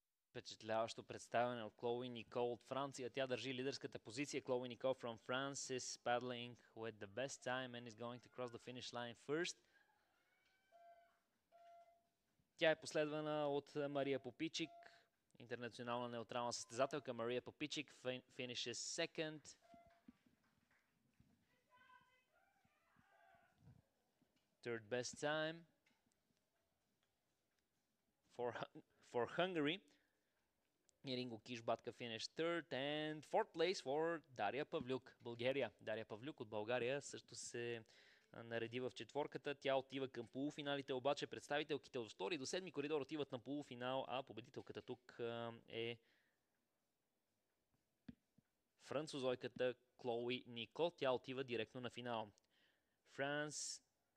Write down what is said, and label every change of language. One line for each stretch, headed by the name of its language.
Bulgarian: Впечатляващо представяне от Клоуи Никол от Франция. Тя държи лидерската позиция.
English: Клоуи Никол from France is paddling with the best time and is going to cross the finish line first.
Bulgarian: Тя е последвана от Мария Попичик, интернационална неутрална състезателка.
English: Мария Попичик finishes second. Third best time for Hungary. Ринго Кишбатка финиш third and fourth place for Дария Павлюк, България.
Bulgarian: Дария Павлюк от България също се нареди в четворката. Тя отива към полуфиналите, обаче представителките от втори до седми коридор отиват на полуфинал, а победителката тук е французойката Клоуи Никол. Тя отива директно на финал. France